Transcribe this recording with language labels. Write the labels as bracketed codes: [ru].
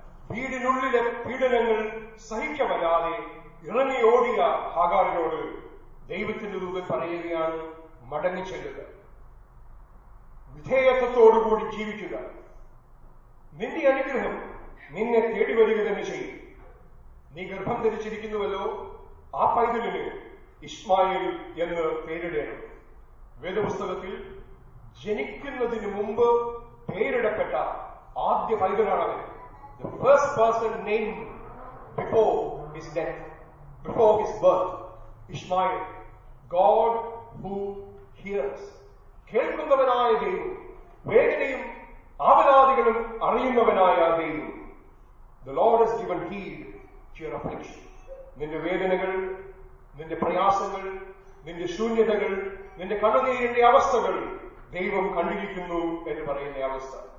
[ml] വീടിനുള്ളിലെ പീഡനങ്ങൾ സഹിക്കവരാതെ ഇറങ്ങിയോടിയ ഹാഗാറിനോട് ദൈവത്തിന്റെ ദൂതൻ പറയുകയാണ്, മടങ്ങിച്ചെല്ലുക, വിധേയത്വത്തോടുകൂടി ജീവിക്കുക, നിന്റെ അനുഗ്രഹം നിന്നെ തേടി വരിക തന്നെ ചെയ്യും. നീ ഗർഭം ധരിച്ചിരിക്കുന്നുവല്ലോ, ആ പൈതലിന് ഇസ്മായിൽ എന്ന് പേരിടേണം. വേദപുസ്തകത്തിൽ ജനിക്കുന്നതിന് മുമ്പ് പേരിടപ്പെട്ട ആദ്യ പൈതലാണവൻ. [en] The first person named before his death, before his birth, Ishmael, God who hears. [ml] കേൾക്കുന്നവനായ ദൈവം, വേദനയും ആപലാദികളും അറിയുന്നവനായ ദൈവം. [en] The Lord has given heed to your affliction. [ml] നിന്റെ വേദനകൾ, നിന്റെ പ്രയാസങ്ങൾ, നിന്റെ ശൂന്യതകൾ നിന്റെ കണ്ണുനീരിന്റെ അവസ്ഥകൾ ദൈവം കണ്ടിരിക്കുന്നു എന്ന് പറയുന്ന അവസ്ഥ.